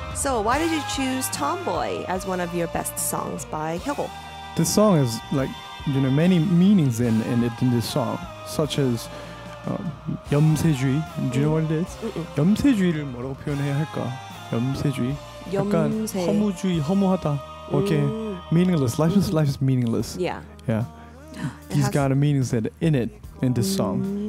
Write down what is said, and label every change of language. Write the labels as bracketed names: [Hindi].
[English] So, why did you choose Tomboy as one of your best songs by Hyogo? This song has like, you know, many meanings in this song, such as 염세주의. Do you know what it is? [Korean] 염세주의를 뭐라고 표현해야 할까? 염세주의. 약간 허무주의, 허무하다. [English] Okay. Meaningless. Life is meaningless. Yeah. Yeah. He's got a meaning that in this song.